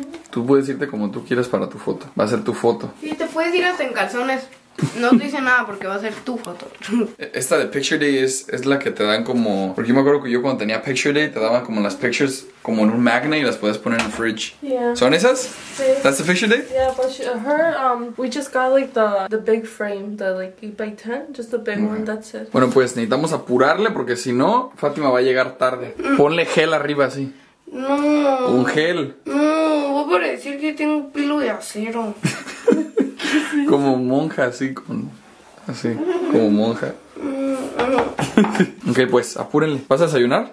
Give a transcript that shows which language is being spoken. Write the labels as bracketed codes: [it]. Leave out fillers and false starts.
[es] Tú puedes irte como tú quieras para tu foto. Va a ser tu foto. Sí, te puedes ir hasta en calzones. No te dice nada porque va a ser tu foto. Esta de Picture Day es la que te dan como. Porque yo me acuerdo que yo cuando tenía Picture Day te daban como las pictures como en un magnet y las puedes poner en el fridge. [en] Yeah. [es] ¿Son esas? Sí. [en] ¿That's the Picture Day? Yeah, but she, her, we just got like the big frame, the like 8x10, just the big one, that's it. [es] Bueno, pues necesitamos apurarle porque si no, Fátima va a llegar tarde. Ponle gel arriba así. No. Un gel. No, voy a decir que tengo un pelo de acero. Como monja, así, con, así, como monja. Ok, pues apúrenle. ¿Vas a desayunar?